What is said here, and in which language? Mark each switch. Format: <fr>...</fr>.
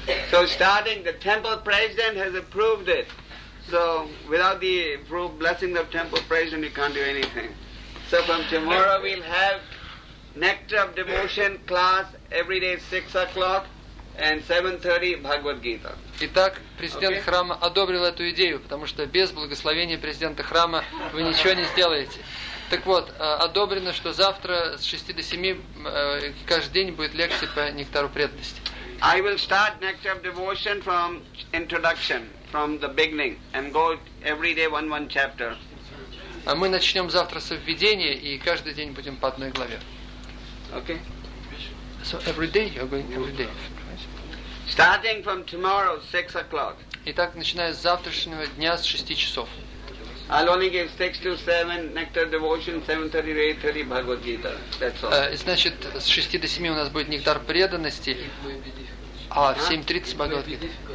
<en>So starting, the temple president has approved it. So without the approved blessing of temple president, you can't do anything. So from tomorrow we'll have Nectar of Devotion class every day at 6 o'clock and 7:30 Bhagavad Gita.</en> <ru>Итак, президент okay. храма одобрил эту идею, потому что без благословения президента храма вы ничего не сделаете. Так вот, одобрено, что завтра с 6 до 7 каждый день будет лекция по нектару преданности.</ru> <en>I will start Nectar of Devotion from introduction, from the beginning, and go every day one chapter.</en> <ru>А мы начнем завтра со введения, и каждый день будем по одной главе.</ru> <en>Okay. So every day you're going every day. Starting from tomorrow, 6 o'clock.</en> <ru>Итак, начиная с завтрашнего дня с 6 часов.</ru> <en>I'll only give 6 to 7, Nectar Devotion, 7:30 to 8:30 Bhagavad Gita. That's all.</en> <ru>Значит, с 6 до 7 у нас будет Нектар преданности, а в 7:30 Bhagavad Gita.</ru>